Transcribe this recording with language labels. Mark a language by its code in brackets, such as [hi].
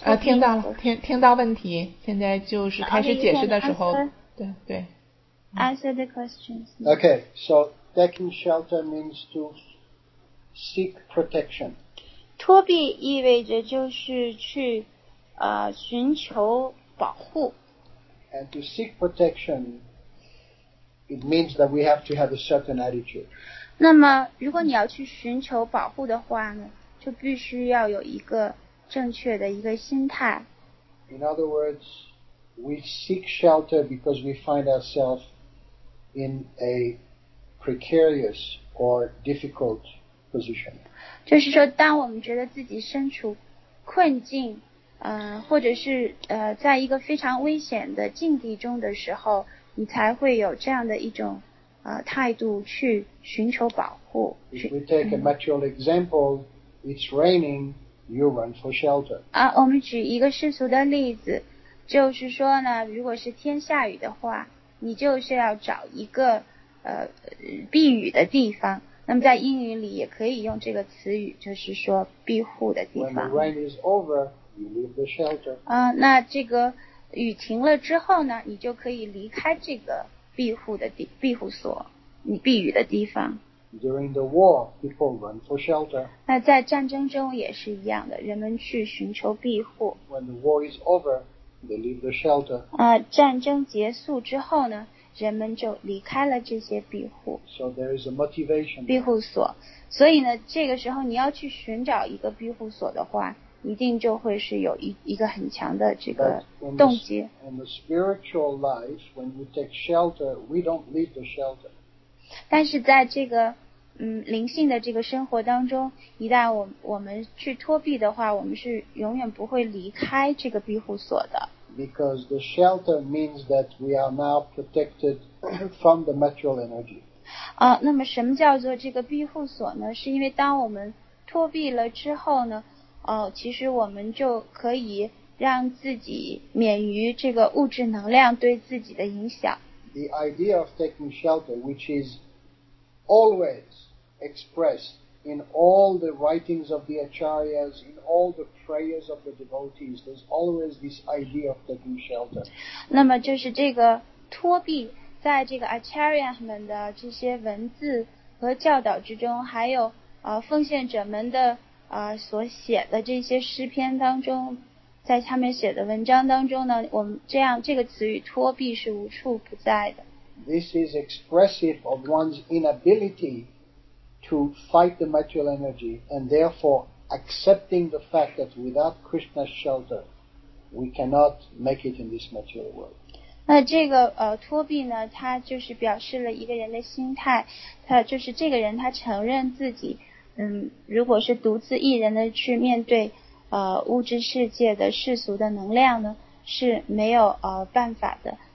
[zh] 听到了，听到问题，现在就是开始解释的时候， [en] okay, answer the questions. Okay, so taking shelter means to seek protection. [zh] 托庇意味着就是去寻求保护。 [en] And to seek protection, it means that we have to have a certain attitude. [zh] 那么如果你要去寻求保护的话呢，就必须要有一个正确的一个心态。 [en] In other words, we seek shelter because we find ourselves in a precarious or difficult position. [zh] 就是说当我们觉得自己身处困境或者是在一个非常危险的境地中的时候，你才会有这样的一种态度去寻求保护。 [en] If we take a material example, it's raining, you run for shelter. [zh] 我们举一个世俗的例子，就是说呢，如果是天下雨的话，你就是要找一个避雨的地方，那么在英语里也可以用这个词语，就是说庇护的地方。 [en] When the rain is over, you leave the shelter. [zh] 啊，那这个雨停了之后呢，你就可以离开这个庇护的地庇护所，你避雨的地方。 [en] During the war, people run for shelter. [zh] 那在战争中也是一样的，人们去寻求庇护。 [en] When the war is over, they leave the shelter. [zh] 啊，战争结束之后呢？人们就离开了这些庇护 [en] so there is a motivation [zh] 庇护所所以呢这个时候你要去寻找一个庇护所的话一定就会是有 一个很强的这个动机 [en] in the spiritual life when we take shelter we don't leave the shelter [zh] 但是在这个灵性的这个生活当中一旦我们去脱避的话我们是永远不会离开这个庇护所的 [en] Because the shelter means that we are now protected from the material energy. [zh] 啊，那么什么叫做这个庇护所呢？是因为当我们脱避了之后呢，其实我们就可以让自己免于这个物质能量对自己的影响。 [en] The idea of taking shelter, which is always expressed in all the writings of the acharyas, in all the prayers of the devotees, there's always this idea of taking shelter. [zh] 那么就是这个脱避，在这个 acharya 们的这些文字和教导之中，还有奉献者们的所写的这些诗篇当中，在他们写的文章当中呢，我们这样这个词语脱避是无处不在的。 [en] This is expressive of one's inability. To fight the material energy and therefore accepting the fact that without Krishna's shelter, we cannot make it in this material world. [zh] 那这个脱避呢，它就是表示了一个人的心态，他就是这个人，他承认自己，如果是独自一人的去面对物质世界的世俗的能量呢，是没有办法的。